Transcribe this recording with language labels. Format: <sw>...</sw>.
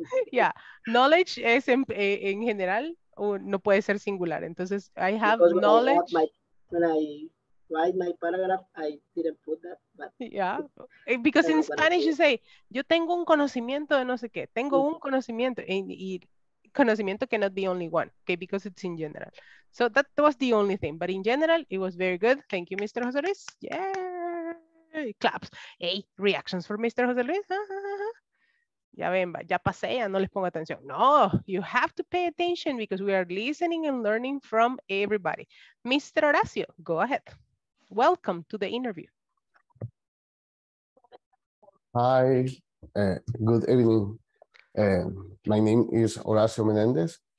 <es>Yeah, knowledge es en general, no puede ser singular. Entonces,</es> <en>I have because knowledge. Write my paragraph, I didn't put that, but. Yeah, because in Spanish you say,</en> <es>yo tengo un conocimiento de no sé qué, tengo un conocimiento, y conocimiento</es> <en>cannot be only one, okay, because it's in general. So that was the only thing, but in general, it was very good. Thank you, Mr. Jose Luis. Yay, claps. Hey, reactions for Mr. Jose Luis.</en> <es>Ya ven, ya pasé, ya no les pongo atención.</es> <en>No, you have to pay attention because we are listening and learning from everybody. Mr. Horacio, go ahead. Welcome to the interview. Hi, good evening. My name is Horacio Menendez.</en>